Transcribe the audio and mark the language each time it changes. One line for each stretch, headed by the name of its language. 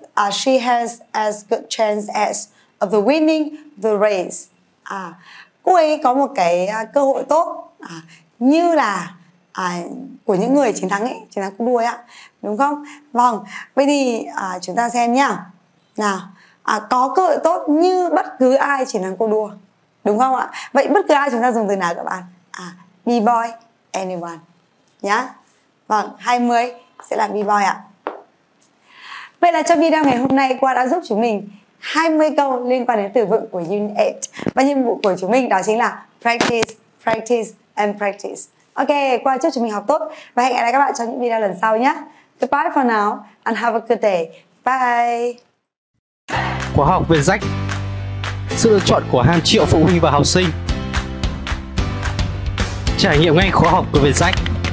English: She has as good chance as of winning the race.
Vietnamese: Cô ấy có một cái cơ hội tốt như là của những người chiến thắng ấy, chiến thắng cuộc đua ấy ạ. Đúng không? Vâng. Vậy thì chúng ta xem nhá. Nào, có cơ hội tốt như bất cứ ai chiến thắng cuộc đua. Đúng không ạ? Vậy bất cứ ai chúng ta dùng từ nào các bạn? B-boy, anyone. Nhá. Vâng, 20 sẽ là B-boy ạ. Vậy là trong video ngày hôm nay, Qua đã giúp chúng mình 20 câu liên quan đến từ vựng của Unit 8. Và nhiệm vụ của chúng mình đó chính là
English: practice and practice.
Vietnamese: Ok, Qua chúc chúng mình học tốt và hẹn gặp lại các bạn trong những video lần sau nhé.
English: Goodbye for now and have a good day. Bye.
Vietnamese: Khóa học Việt Rách, sự lựa chọn của hàng triệu phụ huynh và học sinh. Trải nghiệm ngay khóa học của Việt Rách.